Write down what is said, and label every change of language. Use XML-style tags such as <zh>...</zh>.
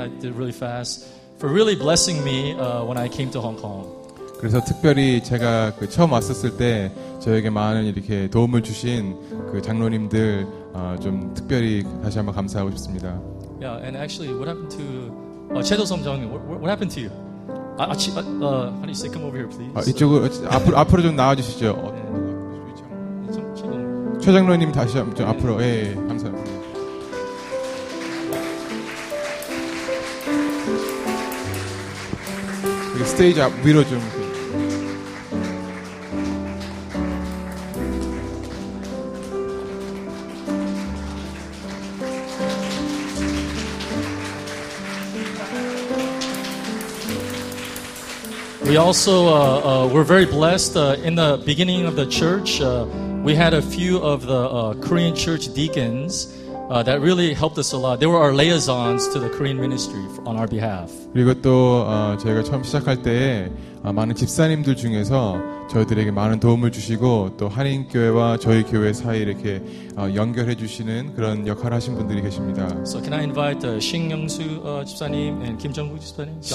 <en>I did really fast. For really blessing me when I came to Hong Kong.</en> <ko>그래서 특별히 제가 그 처음 왔었을 때 저에게 많은 이렇게 도움을 주신 그 장로님들 좀 특별히 다시 한번 감사하고 싶습니다.</ko> <en>Yeah, and actually, what happened to Chedosom Jeongim? What happened to you? How do you say, come over here, please.</en> <ko>이쪽으로 앞으로 좀 나와주시죠. 최 장로님 다시 한번 앞으로. 예, 감사합니다.</ko> <en>Stage up,</en> <ko>위로 좀.</ko> <en>We also were very blessed in the beginning of the church. We had a few of the Korean church deacons. That really helped us a lot. They were our liaisons to the Korean ministry on our behalf.</en> <ko>그리고 또 저희가 처음 시작할 때 많은 집사님들 중에서 저희들에게 많은 도움을 주시고 또 한인 교회와 저희 교회 사이 이렇게 연결해 주시는 그런 역할을 하신 분들이 계십니다.</ko> <en>So can I invite Shin Young-soo 집사님 and Kim Jung-woo 집사님?</en>